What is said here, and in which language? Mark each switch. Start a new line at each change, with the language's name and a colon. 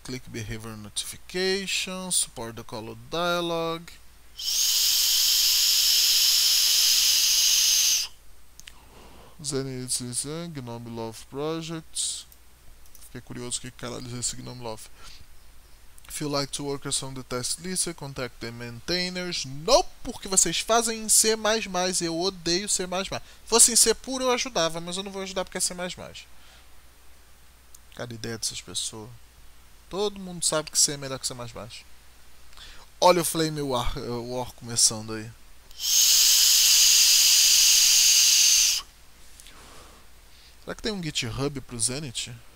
English: Click behavior notification. Support the color dialog. Zen, Gnome Love Projects.
Portuguese: Fiquei curioso o que caralho é esse Gnome Love.
English: If you like to work on the test list, contact the maintainers.
Portuguese: Nope, porque vocês fazem em C++. Eu odeio C++. Se fosse em C puro, eu ajudava, mas eu não vou ajudar porque é C++. Cada ideia dessas pessoas. Todo mundo sabe que C é melhor que C++. Olha o Flame War, War começando aí. Será que tem um GitHub pro Zenit?